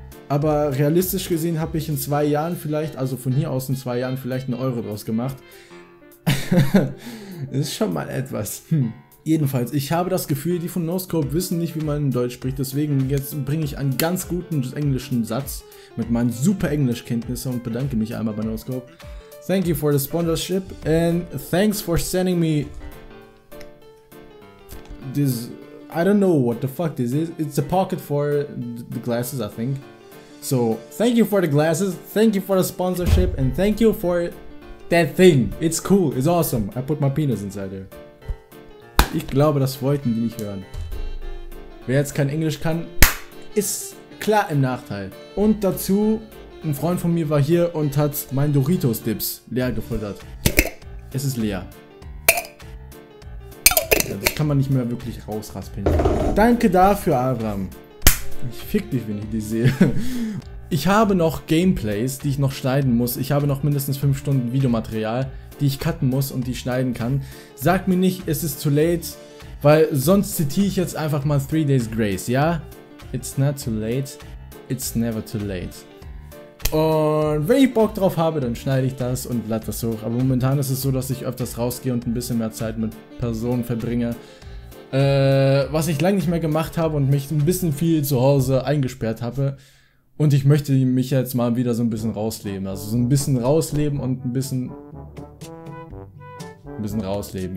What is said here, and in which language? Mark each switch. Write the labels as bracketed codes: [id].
[de] Aber realistisch gesehen habe ich in 2 Jahren vielleicht, also von hier aus in 2 Jahren vielleicht 1 Euro draus gemacht. ist schon mal etwas. Jedenfalls, ich habe das Gefühl, die von Noscope wissen nicht, wie man in Deutsch spricht. Deswegen jetzt bringe ich einen ganz guten englischen Satz mit meinen super Englischkenntnissen und bedanke mich einmal bei Noscope. [en] Thank you for the sponsorship and thanks for sending me this. I don't know what the fuck this is. It's a pocket for the glasses, I think. So, thank you for the glasses, thank you for the sponsorship and thank you for that thing. It's cool, it's awesome. I put my penis inside there. [de] Ich glaube, das wollten die nicht hören. Wer jetzt kein Englisch kann, ist klar im Nachteil. Und dazu, ein Freund von mir war hier und hat meinen Doritos-Dips leer gefuttert. Es ist leer. Ja, das kann man nicht mehr wirklich rausraspeln. Danke dafür, Abraham. Ich fick dich, wenn ich dich sehe. Ich habe noch Gameplays, die ich noch schneiden muss. Ich habe noch mindestens 5 Stunden Videomaterial, die ich cutten muss und die ich schneiden kann. Sag mir nicht, es ist [en] too late, [de] weil sonst zitiere ich jetzt einfach mal 3 Days Grace, ja? [en] It's not too late, it's never too late. [de] Und wenn ich Bock drauf habe, dann schneide ich das und lade das hoch. Aber momentan ist es so, dass ich öfters rausgehe und ein bisschen mehr Zeit mit Personen verbringe. Was ich lange nicht mehr gemacht habe und mich ein bisschen viel zu Hause eingesperrt habe. Und ich möchte mich jetzt mal wieder so ein bisschen rausleben. Also so ein bisschen rausleben und ein bisschen rausleben.